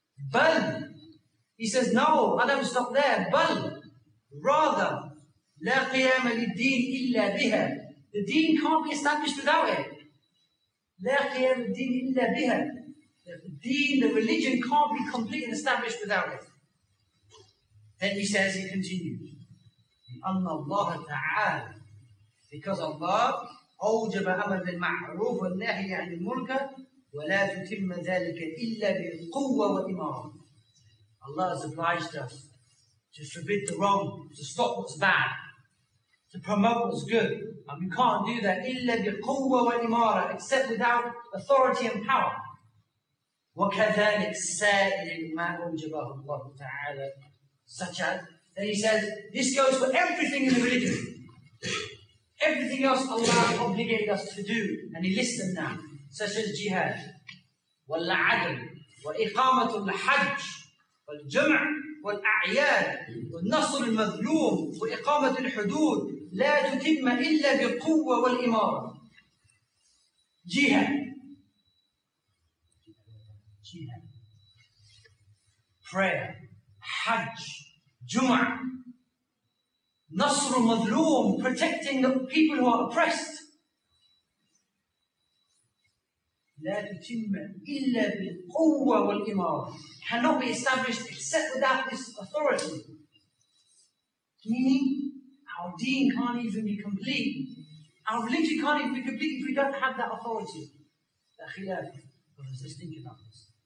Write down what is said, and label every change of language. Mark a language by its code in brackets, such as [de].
[en] But he says, no, I don't stop there. But rather, [ar] la qiyama lid-deen illa biha. [en] The deen can't be established without it. [ar] La qiyama lid-deen illa biha. [en] The religion can't be complete and established without it. [ar] Then he says, he continues, أَنَّ اللَّهَ تَعَالَى [en] because Allah [ar] أَوْجَبَ أَمَرَ بِالْمَعْرُوفِ وَالنَّهْيَ عَنِ الْمُنكَرِ وَلَا تُتِمَّ ذَلِكَ إِلَّا بِالْقُوَّةِ وَالْإِمَامَةِ. [en] Allah has obliged us to forbid the wrong, to stop what's bad, to promote what's good, and we can't do that [ar] إِلَّا بِالْقُوَّةِ وَالْإِمَامَةِ [en] except without authority and power. [ar] وَكَذَلِكَ سَائِلِ مَا أَوْجَبَهُ اللَّهُ تَعَالَى [en] such as. Then he says, this goes for everything in the religion. Everything else Allah obligated us to do. And he lists them now, such as jihad, [ar] wal adl, wa iqamatul hajj, wal jum'ah, والأعياد والنصر المظلوم وإقامة الحدود لا تتم إلا بقوة والإمارة. جهاد [en] prayer [ar] حج جمعة نصر المظلوم [en] protecting the people who are oppressed [ar] لا تتم إلا بالقوة والإمارة. [en] Cannot be established except without this authority. Meaning, our deen can't even be complete. Our religion can't even be complete if we don't have that authority. The khilaf. Brothers, let's think about this.